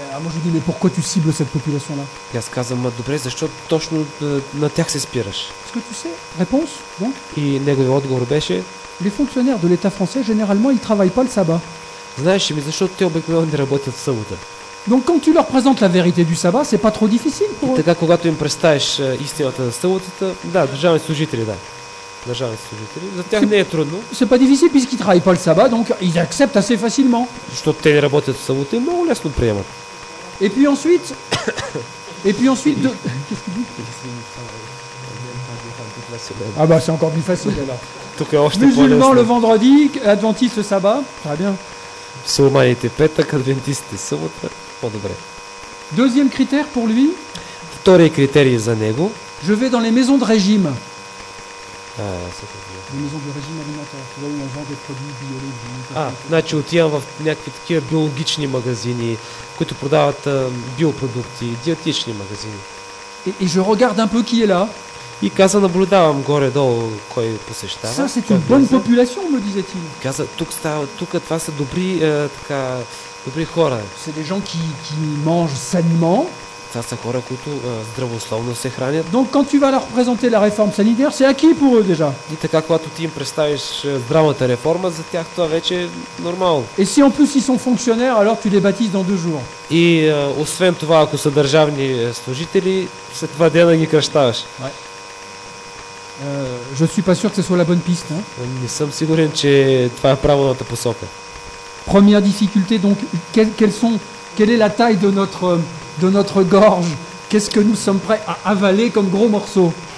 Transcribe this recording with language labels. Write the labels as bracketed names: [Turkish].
[Bulgarian] Може би, но [French] pourquoi tu cibles cette population là? [Bulgarian] Аз казвам, добре, защо точно на тях се спираш? [French] Est-ce que tu sais? Réponse, donc? [Bulgarian] И неговият отговор беше: [French] Les fonctionnaires de l'État français, généralement, ils travaillent pas le sabbat. [Bulgarian] Знаеш ли, защото те обикновено не работят в събота. [French] Donc quand tu leur présentes la vérité du sabbat, c'est pas trop difficile pour [Bulgarian] eux. Така, когато им представиш истината за съботата, да, държавни служители, да. Държавни служители, за тях не е трудно. [French] C'est pas difficile puisqu'ils travaillent pas le sabbat, donc ils acceptent assez facilement. [Bulgarian] Защото те не работят в събота, много лесно приемат. [French] Et puis ensuite Et puis ensuite de... Qu'est-ce que tu dis? Ah bah c'est encore plus facile alors. Musulmans le vendredi, adventistes le sabbat, très bien. [Bulgarian] Сурманите петък, адвентистите събота, по-добре. [French] Deuxième critère pour lui. [Bulgarian] Вторият критерий за него. [French] Je vais dans les maisons de régime. Les maisons de régime alimentaire, là où on vend des produits biologiques. [Bulgarian] Значи отивам в някакви такива биологични магазини, които продават биопродукти, диетични магазини. [French] Et je regarde un peu qui est là. [Bulgarian] И каза, наблюдавам горе-долу кой посещава. [French] Ça, c'est une bonne population, me disait-il. [Bulgarian] Каза, тук това са добри, така, добри хора. [French] C'est des gens qui mangent sainement. [Bulgarian] Това са хора, които здравословно се хранят. [French] Donc, quand tu vas leur présenter la réforme sanitaire, c'est acquis pour eux déjà. [Bulgarian] И така, когато ти им представиш здравната реформа, за тях това вече е нормално. [French] Et si en plus ils sont fonctionnaires, alors tu les baptises dans deux jours. [Bulgarian] И освен това, ако са държавни служители, след два дена ги кръщаваш. [French] Ouais. Je suis pas sûr que ce soit la bonne piste. [Bulgarian] Не съм сигурен, че това е правилната посока. [French] Première difficulté, donc, quelle est la taille de notre gorge? Qu'est-ce que nous sommes prêts à avaler comme gros morceau?